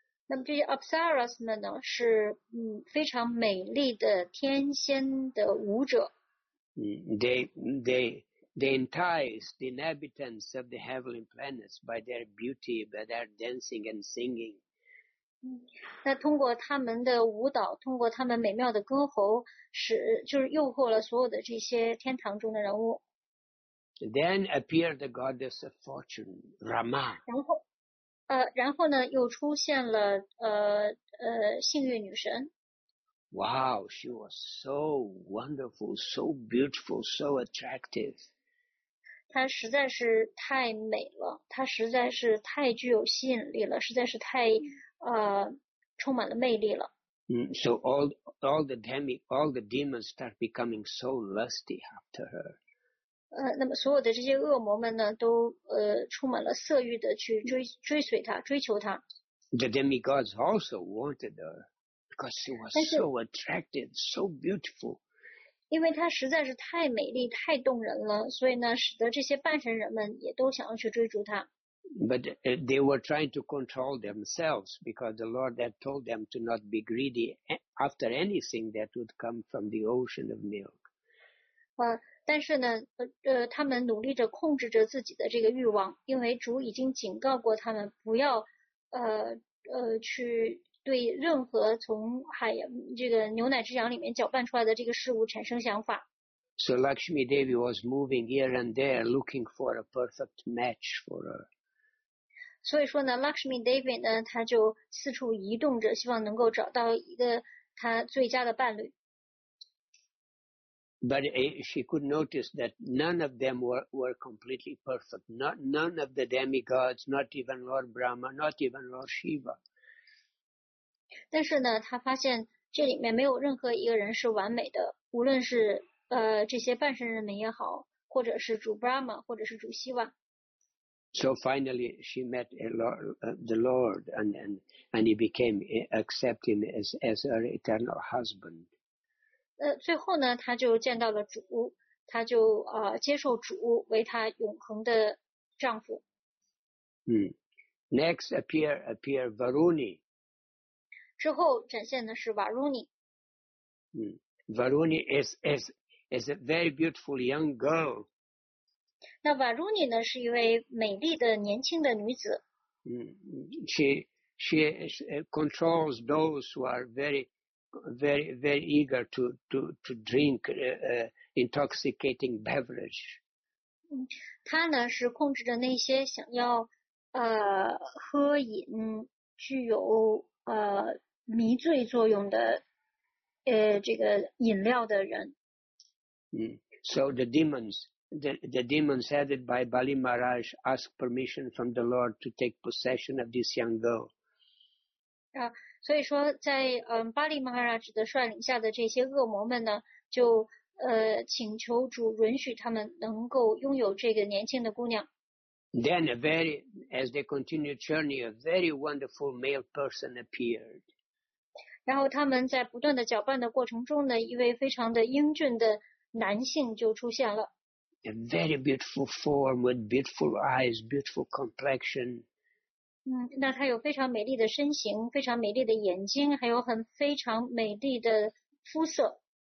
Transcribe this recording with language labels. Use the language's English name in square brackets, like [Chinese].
[Chinese] 那么这些 Apsaras 们呢是非常美丽的天仙的舞者。 [English] They entice the inhabitants of the heavenly planets by their beauty, by their dancing and singing. [Chinese] 那通过他们的舞蹈，通过他们美妙的歌喉，诱惑了所有的这些天堂中的人物。 [English] Then appeared the goddess of fortune, Rama. [Chinese] 然后呢又出现了幸运女神。 [English] Wow, she was so wonderful, so beautiful, so attractive. [Chinese] 她实在是太美了，她实在是太具有吸引力了，实在是太充满了魅力了。 [English] So all the demons start becoming so lusty after her. [Chinese] 那么所有的这些恶魔们呢都充满了色欲的去追随他，追求他。 [English] The demigods also wanted her because she was so attractive, so beautiful. [Chinese] 因为她实在是太美丽太动人了，所以呢使得这些半神人们也都想要去追逐她。 [English] But they were trying to control themselves because the Lord had told them to not be greedy after anything that would come from the ocean of milk. [Chinese] 但是呢他们努力着控制着自己的这个欲望，因为主已经警告过他们不要去对任何从海洋这个牛奶之洋里面搅拌出来的这个事物产生想法。 [English] So Lakshmi Devi was moving here and there looking for a perfect match for her. [Chinese] 所以说呢 Lakshmi Devi 呢他就四处移动着，希望能够找到一个他最佳的伴侣。 [English] But she could notice that none of them were completely perfect. None of the demigods, not even Lord Brahma, not even Lord Shiva. [Chinese] 但是呢，她发现这里面没有任何一个人是完美的，无论是这些半神人们也好，或者是主 Brahma， 或者是主 Shiva。 [English] So finally, she met the Lord, and he became accept him as her eternal husband. [Chinese] 最后呢他就见到了主，他就接受主为他永恒的丈夫。 [English] Next appear Varuni. [Chinese] 之后展现的是 Varuni. [English] Varuni is a very beautiful young girl. [Chinese] 那 Varuni 呢是一位美丽的年轻的女子。 [English] She controls those who are very very, very eager to drink intoxicating beverage. [Chinese] 他呢是控制着那些想要喝饮具有迷醉作用的这个饮料的人。 [English] So the demons headed by Bali Maharaj ask permission from the Lord to take possession of this young girl. [Chinese] 所以说在巴利马哈拉什的率领下的这些恶魔们呢就请求主允许他们能够拥有这个年轻的姑娘。 [English] Then a very, as they continue journey, a very wonderful male person appeared. [Chinese] 然后他们在不断的搅拌的过程中呢，一位非常的英俊的男性就出现了。 [English] A very beautiful form with beautiful eyes, beautiful complexion. [Chinese] 那他有非常美丽的身形，非常美丽的眼睛，还有很非常美丽的肤色。